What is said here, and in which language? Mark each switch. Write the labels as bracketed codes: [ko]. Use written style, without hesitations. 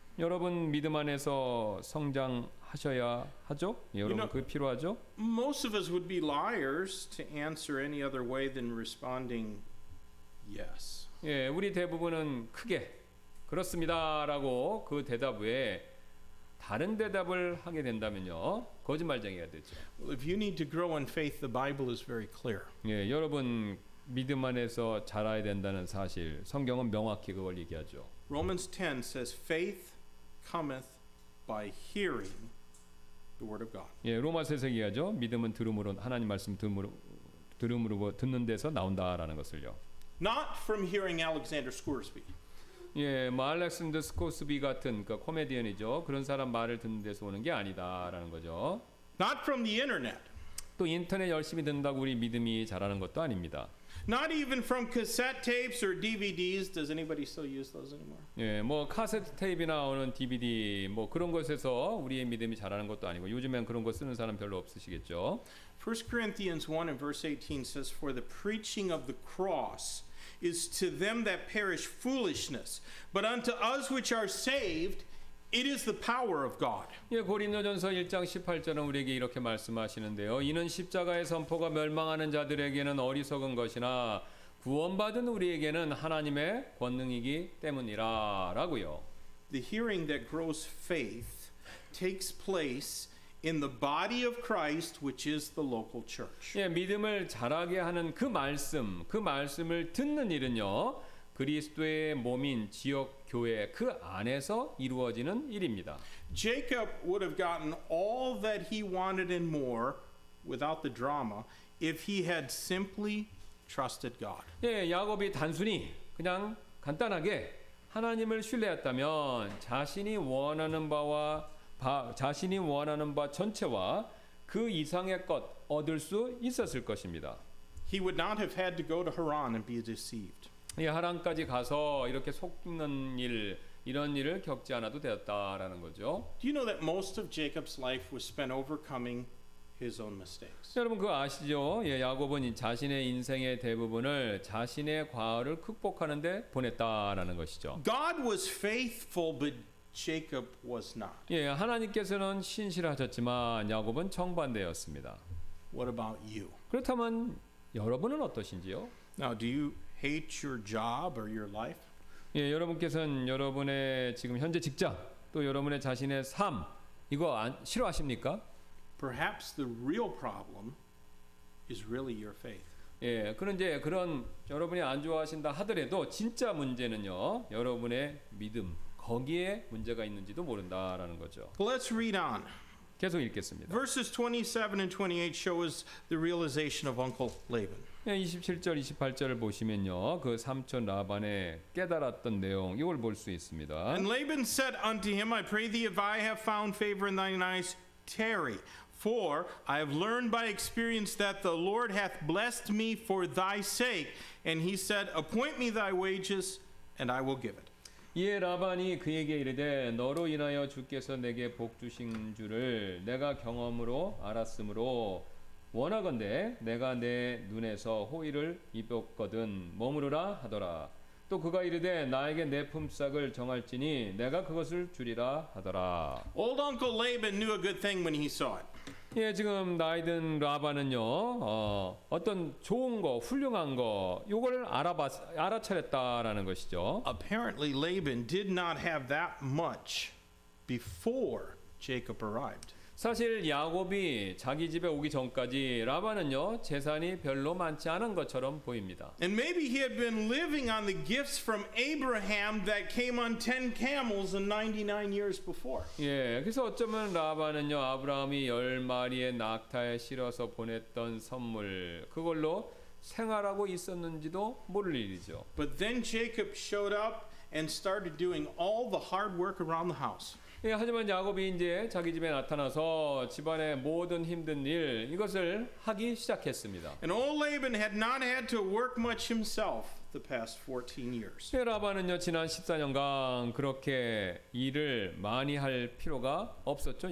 [ko] 여러분 믿음 안에서 성장하셔야 하죠. 여러분 [en] you know, [ko] 그게 필요하죠. [en] Most of us would be liars to answer any other way than responding yes. [ko] 예, 우리 대부분은 크게 그렇습니다라고 그 대답 외에 다른 대답을 하게 된다면요 거짓말쟁이가 되죠. [en] Well, if you need to grow in faith, the Bible is very clear. [ko] 예, 여러분 믿음 안에서 자라야 된다는 사실 성경은 명확히 그걸 얘기하죠. [en] Romans 10 says, faith cometh by hearing the word of God. [ko] 예, 로마서에서 얘기하죠. 믿음은 들음으로 하나님 말씀 들음으로 듣는 데서 나온다라는 것을요. [en] Not from hearing Alexander Scoresby. [ko] 예, 뭐 알렉산더 스코스비 같은 그 코미디언이죠. 그런 사람 말을 듣는 데서 오는 게 아니다라는 거죠. [en] Not from the internet. [ko] 또 인터넷 열심히 듣는다고 우리 믿음이 자라는 것도 아닙니다. [en] Not even from cassette tapes or DVDs. Does anybody still use those anymore? [ko] 예, 뭐 카세트 테이프나 오는 DVD 뭐 그런 것에서 우리의 믿음이 자라는 것도 아니고 요즘엔 그런 거 쓰는 사람 별로 없으시겠죠. [en] 1 Corinthians 1 and verse 18 says, for the preaching of the cross is to them that perish foolishness, but unto us which are saved, it is the power of God. [ko] 예, 고린도전서 1장 18절은 우리에게 이렇게 말씀하시는데요. 이는 십자가의 선포가 멸망하는 자들에게는 어리석은 것이나 구원받은 우리에게는 하나님의 권능이기 때문이라라고요. [en] The hearing that grows faith takes place in the body of Christ, which is the local church. [ko] 예, 믿음을 자라게 하는 그 말씀을 듣는 일은요, 그리스도의 몸인 지역 교회 그 안에서 이루어지는 일입니다. [en] Jacob would have gotten all that he wanted and more without the drama if he had simply trusted God. [ko] 예, 야곱이 단순히 그냥 간단하게 하나님을 신뢰했다면 자신이 원하는 바와 자신이 원하는 바 전체와 그 이상의 것 얻을 수 있었을 것입니다. [en] He would not have had to go to Haran and be deceived. [ko] 예, 하란까지 가서 이렇게 속는 일 이런 일을 겪지 않아도 되었다라는 거죠. [en] Do you know that most of Jacob's life was spent overcoming his own mistakes? [ko] 여러분 그거 아시죠? 예, 야곱은 자신의 인생의 대부분을 자신의 과오를 극복하는 데 보냈다라는 것이죠. [en] God was faithful but Jacob was not. [ko] 예, 하나님께서는 신실하셨지만 야곱은 정반대였습니다. [en] What about you? [ko] 그렇다면 여러분은 어떠신지요? [en] Now, do you hate your job or your life? [ko] 예, 여러분께서는 여러분의 지금 현재 직장 또 여러분의 자신의 삶 이거 싫어하십니까? [en] Perhaps the real problem is really your faith. [ko] 예, 그런 이제 그런 여러분이 안 좋아하신다 하더라도 진짜 문제는요 여러분의 믿음. 거기에 문제가 있는지도 모른다라는 거죠. [en] Let's read on. [ko] 계속 읽겠습니다. [en] Verses 27 and 28 show us the realization of Uncle Laban. [ko] 예, 27절, 28절을 보시면요. 그 삼촌 라반의 깨달았던 내용 이걸 볼 수 있습니다. [en] And Laban said unto him, I pray thee, if I have found favor in thine eyes, tarry. For I have learned by experience that the Lord hath blessed me for thy sake. And he said, appoint me thy wages, and I will give it. [ko] 이에 라반이 그에게 이르되 너로 인하여 주께서 내게 복 주신 줄을 내가 경험으로 알았으므로 원하건대 내가 내 눈에서 호의를 입었거든 머무르라 하더라. 또 그가 이르되 나에게 내 품삯을 정할지니 내가 그것을 주리라 하더라. [en] Old Uncle Laban knew a good thing when he saw it. [ko] 예, 지금 나이 든 라반은요 어떤 좋은 거 훌륭한 거 요걸 알아차렸다라는 것이죠. [en] Apparently Laban did not have that much before Jacob arrived. [ko] 사실 야곱이 자기 집에 오기 전까지 라반은요 재산이 별로 많지 않은 것처럼 보입니다. [en] And maybe he had been living on the gifts from Abraham that came on 10 camels in 99 years before. [ko] 예, 그래서 어쩌면 라반은요 아브라함이 열 마리의 낙타에 실어서 보냈던 선물 그걸로 생활하고 있었는지도 모를 일이죠. [en] But then Jacob showed up and started doing all the hard work around the house. [ko] 예, 하지만 야곱이 이제 자기 집에 나타나서 집안의 모든 힘든 일 이것을 하기 시작했습니다. [en] And old Laban had not had to work much himself the past 14 years. [ko] 예, 라반은요 지난 14년간 그렇게 일을 많이 할 필요가 없었죠.